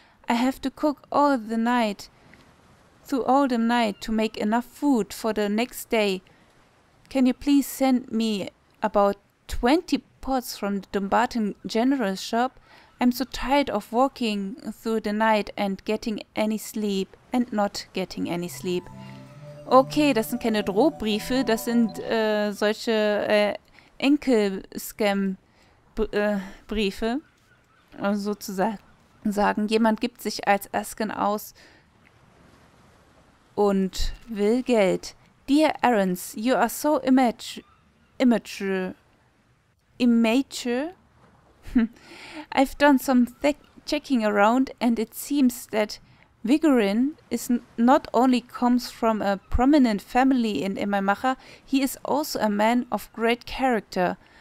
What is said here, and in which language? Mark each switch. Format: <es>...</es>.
<en>I have to cook all the night, through all the night, to make enough food for the next day. Can you please send me about 20 pots from the Dumbarton General shop? I'm so tired of walking through the night and getting any sleep and not getting any sleep.</en> <de>Okay, das sind keine Drohbriefe, das sind solche Enkel-Scam-Briefe. Also sozusagen sagen, jemand gibt sich als Asken aus und will Geld.</de> <en>Dear Arons, you are so immature. I've done some checking around and it seems that Vigorin is not only comes from a prominent family in Immermacher, he is also a man of great character.</en>